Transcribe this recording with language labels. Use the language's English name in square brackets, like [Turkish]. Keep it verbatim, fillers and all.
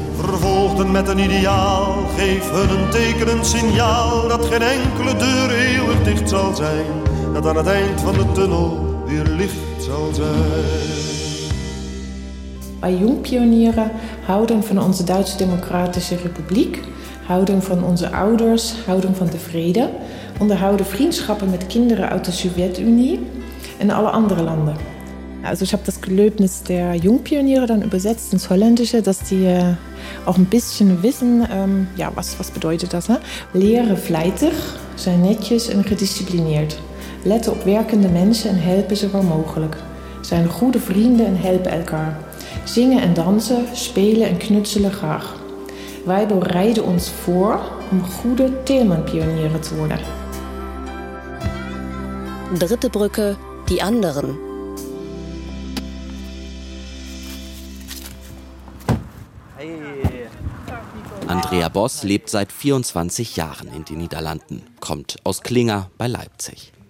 [Dutch] Vervolgden met een ideaal, geef hun een tekenend signaal dat geen enkele deur eeuwig dicht zal zijn, dat aan het eind van de tunnel weer licht zal zijn. Wij jongpionieren houden van onze Duitse Democratische Republiek, houden van onze ouders, houden van de vrede, onderhouden vriendschappen met kinderen uit de Sovjet-Unie en alle andere landen. [German] Also ich habe das Gelöbnis der Jungpioniere dann übersetzt ins Holländische, dass die auch ein bisschen wissen, ähm, ja, was, was bedeutet das? Ne? [Dutch] Leren vlijtig, zijn netjes en gedisciplineerd. Letten op werkende mensen en helpen ze waar mogelijk. Zijn goede vrienden en helpen elkaar. Zingen en dansen, spelen en knutselen graag. Wij bereiden ons voor om goede Telemann-Pioniere te worden. [German] Dritte Brücke, die anderen. Andrea Bos lebt seit vierundzwanzig Jahren in den Niederlanden, kommt aus Klinger bei Leipzig.